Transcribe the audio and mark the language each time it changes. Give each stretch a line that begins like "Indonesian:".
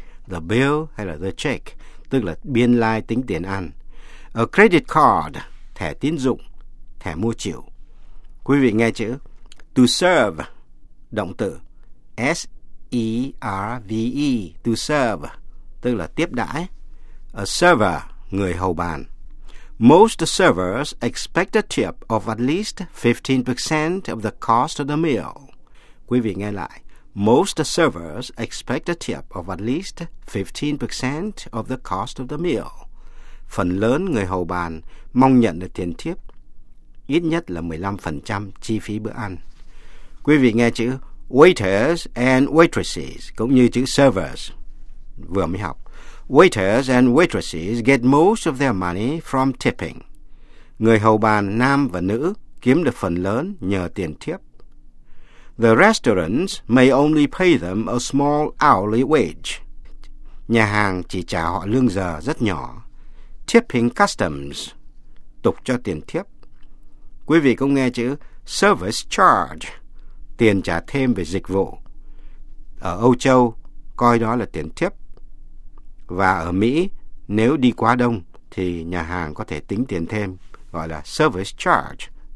Vietnamese: The bill hay là the check, tức là biên lai tính tiền ăn. A credit card, thẻ tín dụng, thẻ mua chịu. Quý vị nghe chữ to serve, động từ S-E-R-V-E, to serve, tức là tiếp đãi. A server, người hầu bàn.
English: Most servers expect a tip of at least 15% of the cost of the meal.
Vietnamese: Quý vị nghe lại.
English: Most servers expect a tip of at least 15% of the cost of the meal.
Vietnamese: Phần lớn người hầu bàn mong nhận được tiền tip ít nhất là 15% chi phí bữa ăn. Quý vị nghe chữ waiters and waitresses cũng như chữ servers vừa mới học.
English: Waiters and waitresses get most of their money from tipping.
Vietnamese: Người hầu bàn nam và nữ kiếm được phần lớn nhờ tiền tip.
English: The restaurants may only pay them a small hourly wage.
Vietnamese: Nhà hàng chỉ trả họ lương giờ rất nhỏ. Tipping customs, tục cho tiền tiếp. Quý vị cũng nghe chữ service charge, tiền trả thêm về dịch vụ. Ở Âu Châu, coi đó là tiền tip. Và ở Mỹ, nếu đi quá đông, thì nhà hàng có thể tính tiền thêm, gọi là service charge.